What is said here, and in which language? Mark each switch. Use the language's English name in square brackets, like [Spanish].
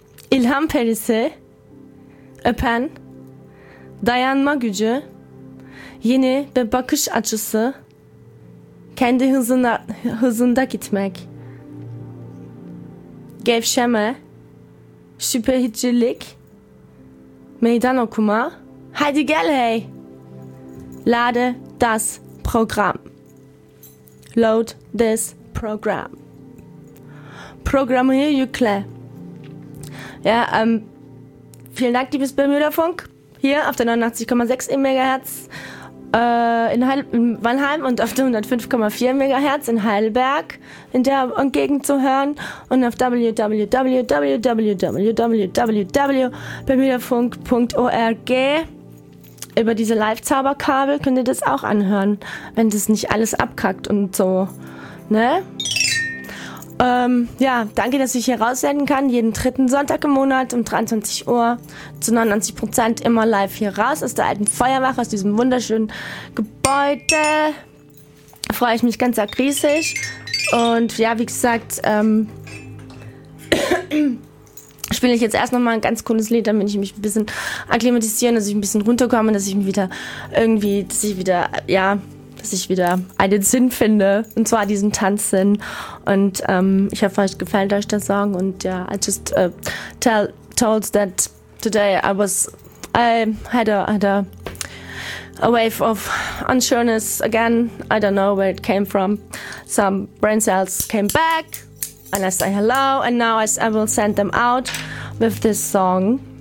[Turkish] ilham perisi, öpen, dayanma gücü, yeni bir bakış açısı, kendi hızında gitmek, gevşeme, şüphecilik, meydan okuma, hadi gel hey, [German] lade das program, [English] load this program, [Turkish] programı yükle. [German] Ja, vielen Dank, liebes Bermuda-Funk, hier auf der 89,6 im Megahertz in Mannheim und auf der 105,4 Megahertz in Heidelberg in der Umgegend zu hören und auf www.bermudafunk.org. Über diese Live-Zauberkabel könnt ihr das auch anhören, wenn das nicht alles abkackt und so, ne? Ja, danke, dass ich hier raussenden kann, jeden dritten Sonntag im Monat um 23 Uhr zu 99% immer live hier raus aus der alten Feuerwache, aus diesem wunderschönen Gebäude. Da freue ich mich ganz akribisch. Und ja, wie gesagt, spiele ich jetzt erst nochmal ein ganz cooles Lied, damit ich mich ein bisschen akklimatisieren, dass ich ein bisschen runterkomme, dass ich mich wieder irgendwie, dass ich wieder, ja, dass ich wieder einen Sinn finde, und zwar diesen Tanzsinn. Und ich hoffe, euch gefällt euch der Song. Und ja, [English] yeah, I just told that today I had a wave of unsureness again. I don't know where it came from. Some brain cells came back and I say hello, and now I will send them out with this song.